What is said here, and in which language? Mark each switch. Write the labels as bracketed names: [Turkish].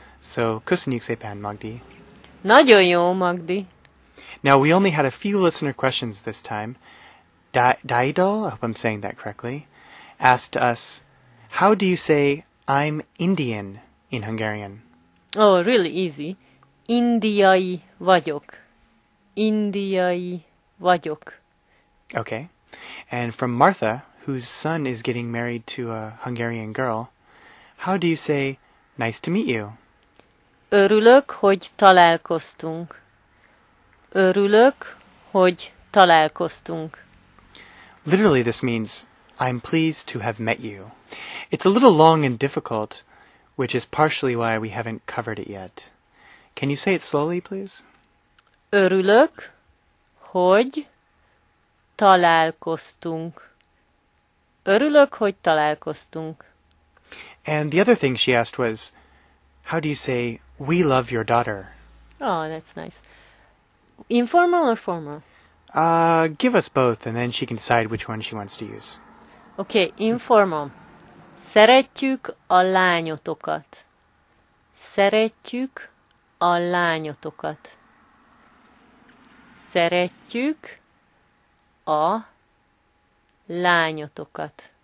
[Hungarian] So, köszönjük szépen, Magdi. Nagyon jó, Magdi. [English] Now, we only had a few listener questions this time. Daido, I hope I'm saying that correctly, asked us, how do you say I'm Indian in Hungarian? Oh, really easy. [Hungarian] Indiai vagyok. Indiai vagyok. [English] Okay. And from Martha, whose son is getting married to a Hungarian girl, how do you say nice to meet you? [Hungarian] Örülök, hogy találkoztunk. Örülök, hogy találkoztunk. [English] Literally, this means I'm pleased to have met you. It's a little long and difficult, which is partially why we haven't covered it yet. Can you say it slowly, please? [Hungarian] Örülök, hogy találkoztunk. Örülök, hogy találkoztunk. [English] And the other thing she asked was, how do you say, we love your daughter? Oh, that's nice. Informal or formal? Give us both, and then she can decide which one she wants to use. Okay, informal. [Hungarian] Szeretjük a lányotokat. Szeretjük a lányotokat. Szeretjük a lányotokat.